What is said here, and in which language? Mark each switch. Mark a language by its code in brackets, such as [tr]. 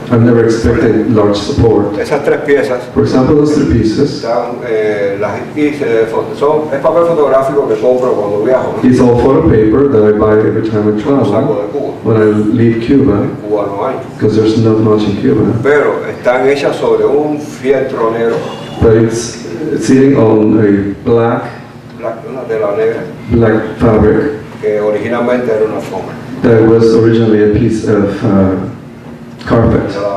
[en] I've never expected large support. [es] Esas tres piezas. [en] For example, those three pieces. [es] Es papel fotográfico que compro cuando viajo. [en] It's all photo paper that I buy every time I travel. When I leave Cuba. [es] Cuba no hay. [en] Because there's not much in Cuba. [es] Pero están hechas sobre un fieltro negro. [en] But it's sitting on a black. [es] Una tela negra. [en] Black fabric. [es] Que originalmente era una alfombra. [en] That was originally a piece of carpet.